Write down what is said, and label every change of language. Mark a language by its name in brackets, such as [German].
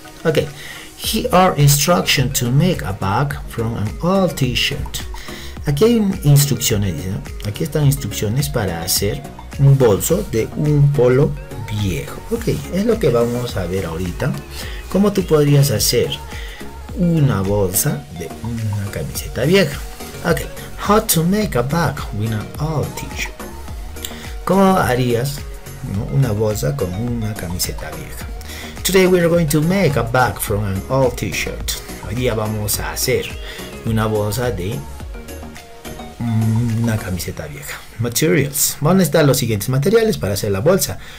[English] Ok, here are instructions to make a bag from an old t-shirt. [Spanish] Aquí hay instrucciones, ¿no? Aquí están instrucciones para hacer un bolso de un polo viejo. Ok, es lo que vamos a ver ahorita. ¿Cómo tú podrías hacer una bolsa de una camiseta vieja? [English] Ok, how to make a bag with an old t-shirt. [Spanish] ¿Cómo harías, ¿no?, una bolsa con una camiseta vieja? [English] Today we are going to make a bag from an old t-shirt. [Spanish] Hoy día vamos a hacer una bolsa de una camiseta vieja. [English] Materials. [Spanish] Vamos a necesitar los siguientes materiales para hacer la bolsa.